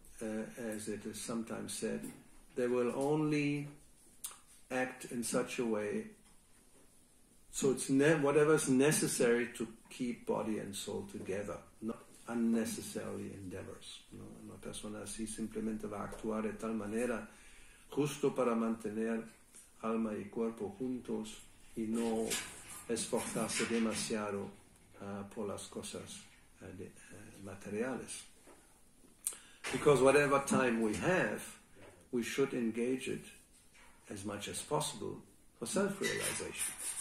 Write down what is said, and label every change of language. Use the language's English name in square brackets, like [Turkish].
[English] as it is sometimes said, they will only act in such a way, so it's whatever's necessary to keep body and soul together, not unnecessary endeavors. [Spanish] No? Una persona así simplemente va a actuar de tal manera justo para mantener alma y cuerpo juntos y no esforzarse demasiado por las cosas materiales. [English] Because whatever time we have, we should engage it as much as possible for self-realization.